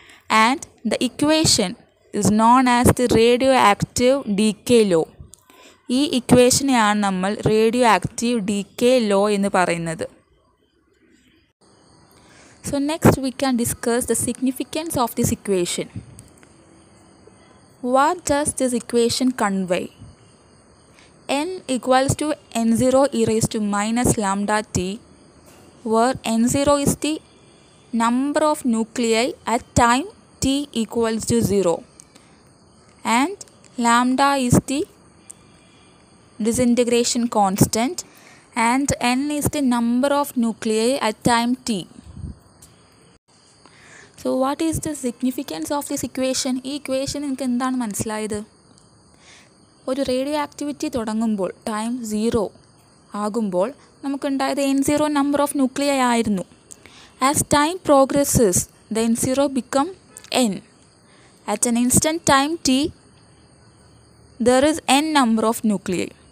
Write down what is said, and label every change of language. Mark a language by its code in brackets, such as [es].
[en] And the equation is known as the radioactive decay law. [ml] ഈ ഇക്വേഷനെയാണ് നമ്മൾ radio active D K law എന്ന് പറയുന്നത്. [en] So next we can discuss the significance of this equation. What does this equation convey? N equals to n0 e raised to minus lambda t, where n0 is the number of nuclei at time t equals to 0 and lambda is the disintegration constant and n is the number of nuclei at time t. So what is the significance of this equation? [ml] ഈ equation നിങ്ങൾക്ക് എന്താണ് മനസ്സിലായത്? ഒരു radio activity തുടങ്ങുമ്പോൾ, time zero ആകുമ്പോൾ നമുക്കുണ്ടായത് N zero number of nuclear ആയിരുന്നു. [en] As time progresses the N zero become N. At an instant time T there is N number of nuclear.